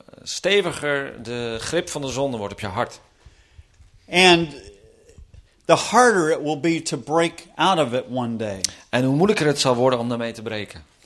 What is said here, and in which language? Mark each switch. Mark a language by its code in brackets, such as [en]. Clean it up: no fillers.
[nl] steviger de grip van de zonde wordt op je hart. [en] And the harder it will be to break out of it one day. [nl] En hoe moeilijker het zal worden om daarmee te breken.